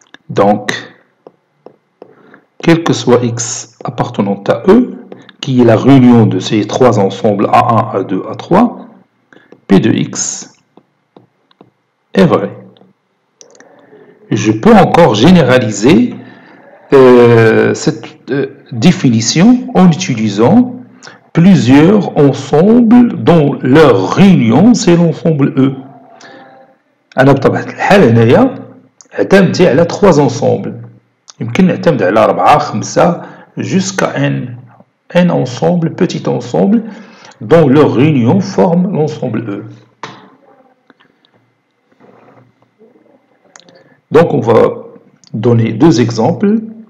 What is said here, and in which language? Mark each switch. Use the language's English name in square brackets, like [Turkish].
[French] Donc, quel que soit x appartenant à E, qui est la réunion de ces trois ensembles A1, A2, A3, P de x est vrai. Je peux encore généraliser cette définition en utilisant plusieurs ensembles dont leur réunion c'est l'ensemble E. [Arabic] انا بطبيعه الحال هنايا اعتمدت على 3 ensembles. يمكن نعتمد على [French] 4 5 jusqu'à n ensemble, petit ensemble dont leur réunion forme l'ensemble E. Donc on va donner deux exemples.